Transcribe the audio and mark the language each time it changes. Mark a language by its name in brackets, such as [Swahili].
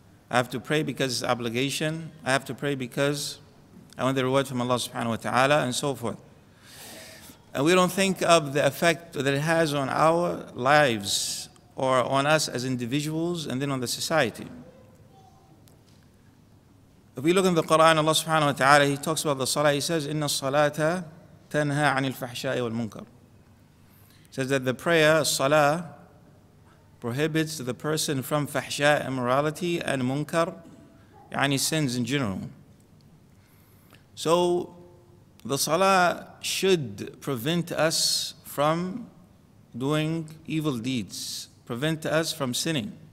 [English] I have to pray because it's obligation. I have to pray because I want the reward from Allah subhanahu wa ta'ala, and so forth. And we don't think of the effect that it has on our lives or on us as individuals and then on the society. If we look in the Quran, Allah subhanahu wa ta'ala, He talks about the salah. He says, [Arabic] إِنَّ الصَّلَاةَ تَنْهَى عَنِ الْفَحْشَاءِ وَالْمُنْكَرِ. [English] Says that the prayer, salah, prohibits the person from fahsha, immorality, and munkar, yani sins in general. So the salah should prevent us from doing evil deeds, prevent us from sinning.